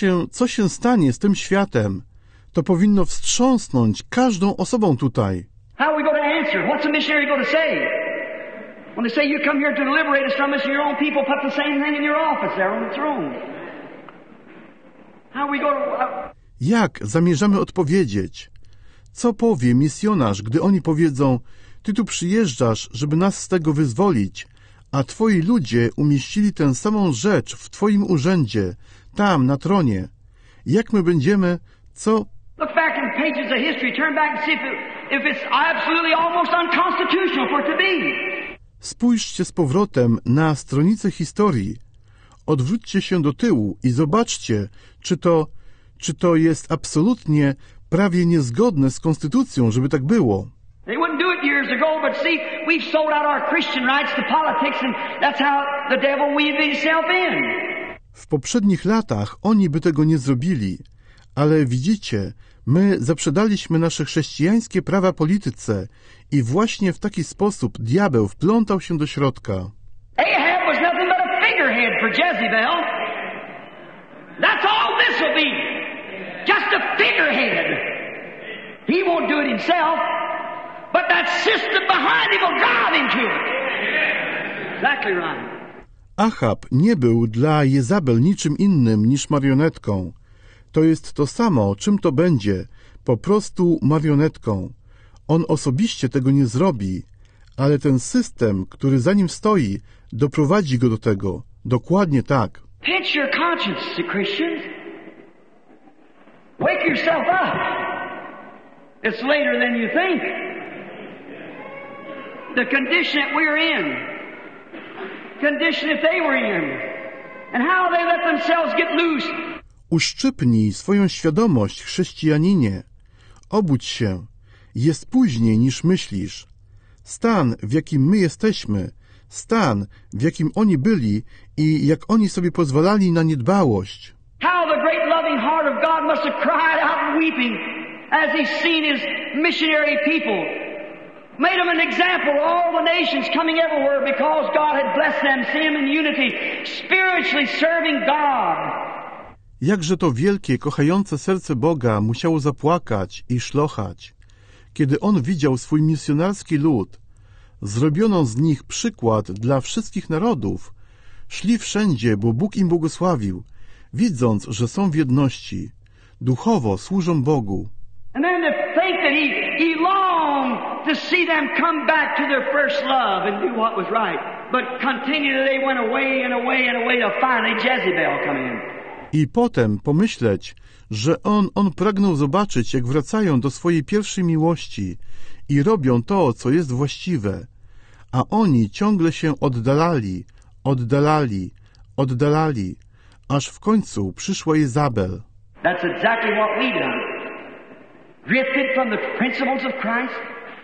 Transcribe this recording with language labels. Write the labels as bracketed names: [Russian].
[Polish] Co się stanie z tym światem? To powinno wstrząsnąć każdą osobą tutaj. [English] How are we going to answer? What's a missionary going to say? When they say you come here to liberate us from us, your own people put the same thing in your office there on the throne. How are we going to? [Polish] Jak zamierzamy odpowiedzieć? Co powie misjonarz, gdy oni powiedzą: ty tu przyjeżdżasz, żeby nas z tego wyzwolić, a twoi ludzie umieścili tę samą rzecz w twoim urzędzie, tam, na tronie. Jak my będziemy, co... [English] Look back in pages of history, turn back and see if it's absolutely almost unconstitutional for it to be. [Polish] Spójrzcie z powrotem na stronicę historii. Odwróćcie się do tyłu i zobaczcie, czy to jest absolutnie prawie niezgodne z konstytucją, żeby tak było. [English] They wouldn't do it years ago, but see, we've sold out our Christian rights to politics and that's how the devil weaved himself in. [Polish] W poprzednich latach oni by tego nie zrobili, ale widzicie, my zaprzedaliśmy nasze chrześcijańskie prawa polityce i właśnie w taki sposób diabeł wplątał się do środka. [English] Ahab was nothing but a figurehead for Jezebel. That's all this will be. Just a figurehead. He won't do it himself, but that system behind him will drive him to it. Exactly right. [Polish] Achab nie był dla Jezabel niczym innym niż marionetką. To jest to samo, czym to będzie, po prostu marionetką. On osobiście tego nie zrobi, ale ten system, który za nim stoi, doprowadzi go do tego. Dokładnie tak. [English] Pinch your conscience, you Christians. Wake yourself up. It's later than you think. The condition that we're in. Condition if they were in, and how they let themselves get loose. [Polish] Uszczypnij swoją świadomość, chrześcijaninie. Obudź się. Jest później niż myślisz. Stan, w jakim my jesteśmy, stan, w jakim oni byli i jak oni sobie pozwalali na niedbałość. [English] How the great loving heart of God must have cried out weeping as he's seen his missionary people. Made them an example, all the nations coming everywhere because God had blessed them, see them in unity, spiritually serving God. [Polish] Jakże to wielkie, kochające serce Boga musiało zapłakać i szlochać, kiedy on widział swój misjonarski lud. Zrobiono z nich przykład dla wszystkich narodów. Szli wszędzie, bo Bóg im błogosławił, widząc, że są w jedności. Duchowo służą Bogu. [English] And then to think that he longed to see them come back to their first love and do what was right. But continually they went away and away and away till finally Jezebel come in. [Polish] I potem pomyśleć, że on pragnął zobaczyć, jak wracają do swojej pierwszej miłości i robią to, co jest właściwe. A oni ciągle się oddalali, oddalali, oddalali, aż w końcu przyszła Jezabel. [English] That's exactly what we do. Drifted from the principles of Christ.